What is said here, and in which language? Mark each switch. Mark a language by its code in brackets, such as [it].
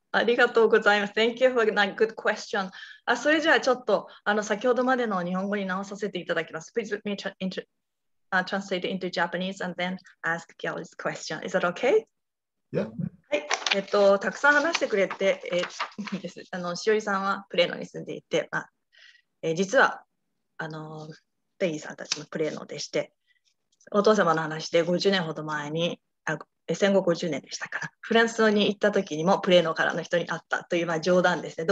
[ja] ありがとうございます。 [en] Thank you for that good question. [ja] それじゃあちょっと先ほどまでの日本語に直させていただきます。 [en] Please let me translate into Japanese and then ask Gail's question. Is that okay? Yeah. [ja] はい。たくさん話してくれて、しおりさんはプレーノに住んでいて、実はペギーさんたちもプレーノでして、お父様の話で50年ほど前に、戦後50年でしたから、フランスに行った時にもプレーノからの人に会ったという、冗談ですね。